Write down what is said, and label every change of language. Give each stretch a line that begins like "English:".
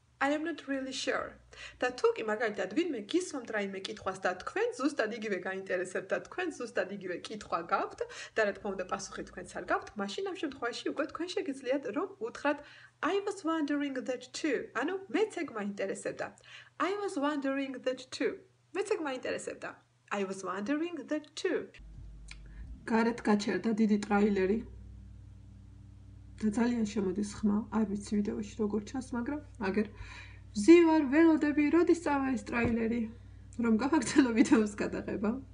English: I am not really sure.
Georgian: და თუ კი მაგალითად ვინმე გისვამთ რაიმე კითხვას და თქვენ ზუსტად იგივე გაინტერესებთ და თქვენ ზუსტად იგივე კითხვა გაქვთ და რა თქმა უნდა პასუხი თქვენც არ გაქვთ, მაშინ ამ შემთხვევაში უკვე თქვენ შეგიძლიათ რომ უთხრათ
English: I was wondering that too.
Georgian: ანუ მეც ეგ მაინტერესებდა.
English: I was wondering that too.
Georgian: მეც ეგ მაინტერესებდა.
English: I was wondering that too.
Georgian: გარეთ გაჩერდა დიდი ტრეილერი. და ძალიან შემოდის ხმა, არ ვიცი ვიდეოში როგორ ჩანს, მაგრამ აგერ ვზივარ, ველოდები, როდის წავა ეს ტრეილერი, რომ გაგაგრძელო ვიდეოს გადაღება.